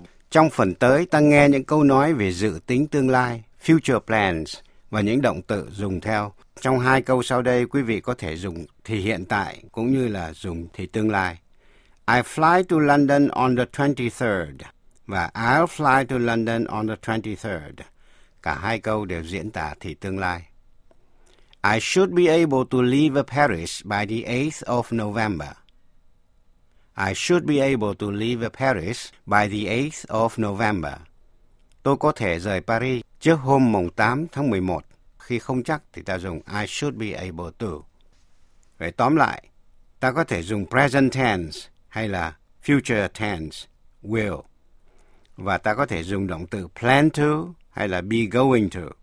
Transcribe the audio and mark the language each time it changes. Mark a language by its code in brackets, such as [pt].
[vi] Trong phần tới, ta nghe những câu nói về dự tính tương lai, future plans, và những động từ dùng theo. Trong hai câu sau đây, quý vị có thể dùng thì hiện tại, cũng như là dùng thì tương lai. [en] I fly to London on the 23rd. Và I'll fly to London on the 23rd. [vi] Cả hai câu đều diễn tả thì tương lai. [en] I should be able to leave Paris by the 8th of November. I should be able to leave Paris by the 8th of November. [vi] Tôi có thể rời Paris trước hôm mùng 8 tháng 11. Khi không chắc thì ta dùng I should be able to. Vậy tóm lại, ta có thể dùng present tense hay là future tense, will. Và ta có thể dùng động từ plan to hay là be going to.